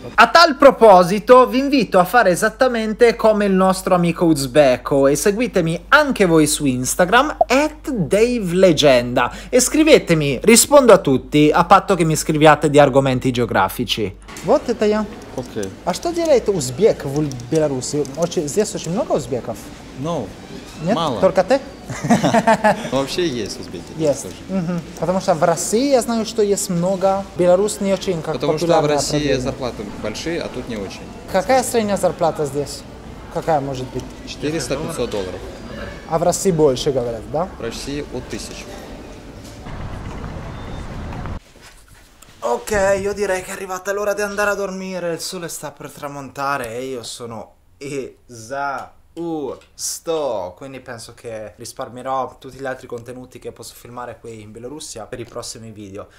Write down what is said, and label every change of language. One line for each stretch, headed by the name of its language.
Italian: A tal proposito, vi invito a fare esattamente come il nostro amico uzbeko e seguitemi anche voi su Instagram @DaveLegenda e scrivetemi, rispondo a tutti, a patto che mi scriviate di argomenti geografici.
Russian: Вот это я. Окей. А что делает узбек в Беларуси? Здесь очень много узбеков? No. Нет? Мало. Только ты? Вообще есть узбеки. Есть. Потому что в России я знаю, что есть много. Беларусь не очень как популярная. Потому что в России зарплаты большие, а тут не очень. Какая средняя зарплата здесь? Какая может быть? 400-500 долларов. А в России больше, говорят, да? В России от 1000.
Italian: Ok, io direi che è arrivata l'ora di andare a dormire. Il sole sta per tramontare e io sono esausto. Quindi penso che risparmierò tutti gli altri contenuti che posso filmare qui in Bielorussia per i prossimi video.